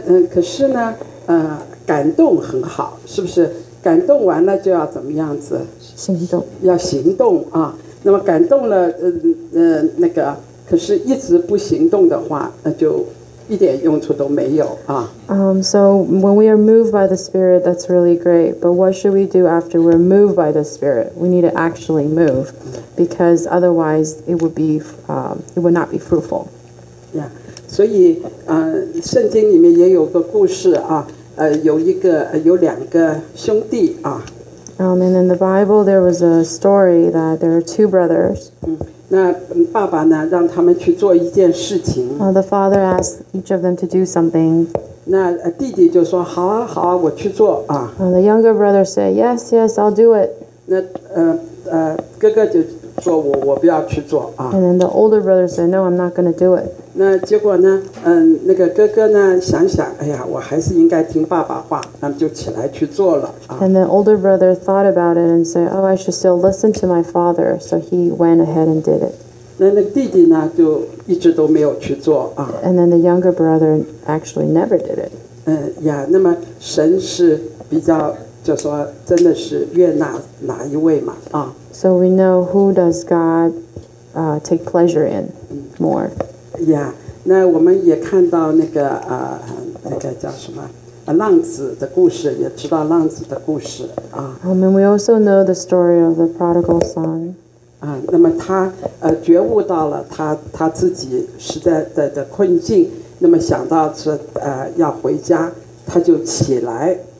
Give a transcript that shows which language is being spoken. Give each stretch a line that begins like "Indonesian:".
Chinese: 可是呢，感动很好，是不是？感动完了就要怎么样子？行动。要行动啊！那么感动了，那个，可是一直不行动的话，那就。一点用处都没有啊。
English: So when we are moved by the Spirit, that's really great. But what should we do after we're moved by the Spirit? We need to actually move, because otherwise it would not be fruitful. Yeah.
Chinese: 所以，圣经里面也有个故事啊，有两个兄弟啊。
English: And in the Bible, there was a story that there are two brothers.
Chinese: 那爸爸呢？让他们去做一件事情。
English: The father asked each of them to do something.
Chinese: 那弟弟就说：“好啊，好啊，我去做啊。
English: ”The younger brother said, "Yes, yes, I'll do it."
Chinese: 那哥哥就说我不要去做啊。
English: And then the older brother said, "No, I'm not going to do it."
Chinese: 那结果呢？那个哥哥呢，想想，哎呀，我还是应该听爸爸话，那么就起来去做了啊。
English: And the older brother thought about it and said, "Oh, I should still listen to my father." So he went ahead and did it.
Chinese: 那弟弟呢，就一直都没有去做啊。
English: And then the younger brother actually never did it.
Chinese: 那么神是比较。就说真的是悦纳哪一位嘛啊
English: ？So we know who does God, take pleasure in more.
Chinese: Yeah, 那我们也看到那个那个叫什么浪子的故事，也知道浪子的故事啊。
English: And we also know the story of the prodigal son.
Chinese: 那么他觉悟到了他自己实在的困境，那么想到说要回家，他就起来。